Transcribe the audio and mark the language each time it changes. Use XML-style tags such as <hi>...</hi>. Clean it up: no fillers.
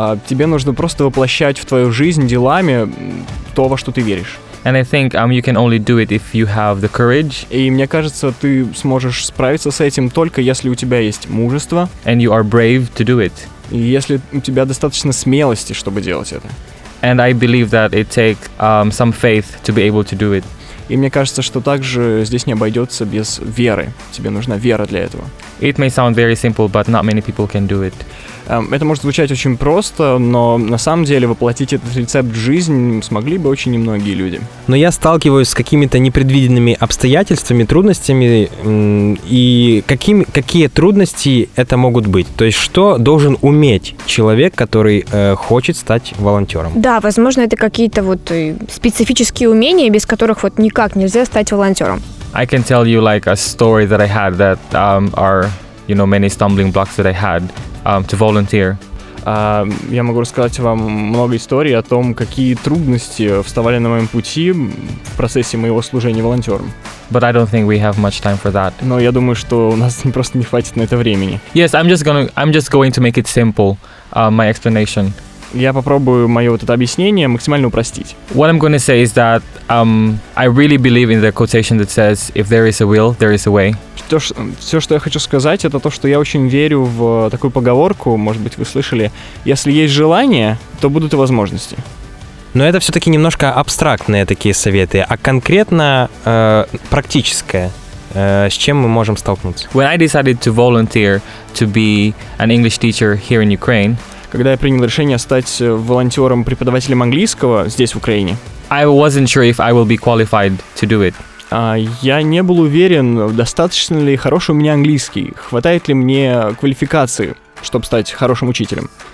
<ru>Тебе нужно просто воплощать в твою жизнь делами то, во что ты веришь.</ru> <en>And I think you can only do it if you have the courage.</en> <ru>И мне кажется, ты сможешь справиться с этим только если у тебя есть мужество.</ru> <en>And you are brave to do it.</en> <ru>И если у тебя достаточно смелости, чтобы делать это.</ru> <en>And I believe that it takes some faith to be able to do it.</en> <ru>И мне кажется, что также здесь не обойдется без веры. Тебе нужна вера для этого.</ru> <en>It may sound very simple, but not many people can do it.</en> <ru>Это может звучать очень просто, но на самом деле воплотить этот рецепт в жизнь смогли бы очень немногие люди. Но я сталкиваюсь с какими-то непредвиденными обстоятельствами, трудностями, и какие трудности это могут быть? То есть что должен уметь человек, который хочет стать волонтером? Да, возможно, это какие-то вот специфические умения, без которых вот никак нельзя стать волонтером.</ru> <en>I can tell you like a story that I had that are, you know, many stumbling blocks that I had. To volunteer.</en> <ru>Я могу рассказать вам много историй о том, какие трудности вставали на моем пути в процессе моего служения волонтером.</ru> <en>But I don't think we have much time for that.</en> <ru>Но я думаю, что у нас просто не хватит на это времени.</ru> <en>Yes, I'm just going to make it simple, my explanation.</en> <ru>Я попробую мое вот это объяснение максимально упростить.</ru> <en>What I'm gonna say is that I really believe in the quotation that says if there is a will, there is a way.</en> <ru>Все, что я хочу сказать, это то, что я очень верю в такую поговорку, может быть, вы слышали. Если есть желание, то будут и возможности. Но это все-таки немножко абстрактные такие советы, а конкретно практическое. С чем мы можем столкнуться?</ru> <en>When I decided to volunteer to be an English teacher here in Ukraine,</en> <ru>когда я принял решение стать волонтером, преподавателем английского здесь, в Украине,</ru> <en>I wasn't sure if I will be qualified to do it.</en> <ru>Я не был уверен, достаточно ли хороший у меня английский, хватает ли мне квалификации, чтобы стать хорошим учителем.</ru>